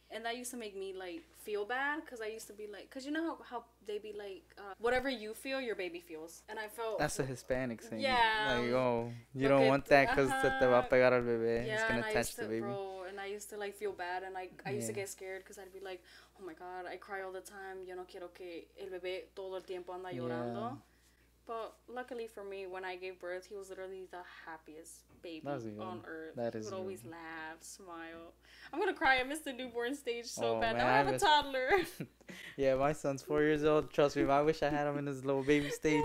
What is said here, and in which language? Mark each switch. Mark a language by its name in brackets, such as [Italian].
[English] And that used to make me, like, feel bad. Because I used to be like... Because you know how they be like, whatever you feel, your baby feels. And I felt... That's a Hispanic thing. Yeah. Like, oh, you don't want that because [Spanish] te va a pegar al bebé. [English] Yeah, it's going to touch the baby. And I used to, like, feel bad. And, like, I used to get scared because I'd be like... Oh my God, I cry all the time. [Spanish] Yo no quiero que el bebé todo el tiempo anda llorando. [English] Yeah. But luckily for me, when I gave birth, he was literally the happiest baby on earth. That is he would always laugh, smile. I'm going to cry. I missed the newborn stage so bad. Man, I have a toddler. Yeah, my son's 4 years old. Trust me, I wish I had him in his little baby stage.